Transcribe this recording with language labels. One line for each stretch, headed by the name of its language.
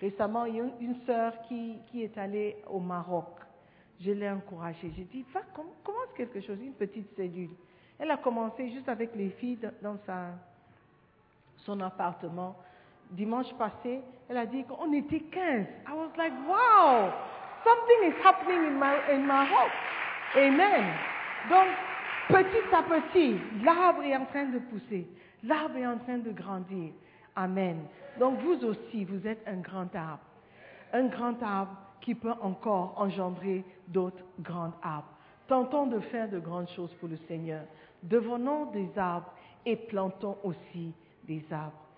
French: Récemment, il y a une sœur qui est allée au Maroc. Je l'ai encouragée. J'ai dit, « Va, commence quelque chose, une petite cellule. » Elle a commencé juste avec les filles dans son appartement. Dimanche passé, elle a dit qu'on était 15.
English: I was like, « Wow, something is happening in Maroc. » Amen.
French: Donc, petit à petit, l'arbre est en train de pousser. L'arbre est en train de grandir. Amen. Donc vous aussi, vous êtes un grand arbre. Un grand arbre qui peut encore engendrer d'autres grands arbres. Tentons de faire de grandes choses pour le Seigneur. Devenons des arbres et plantons aussi des arbres.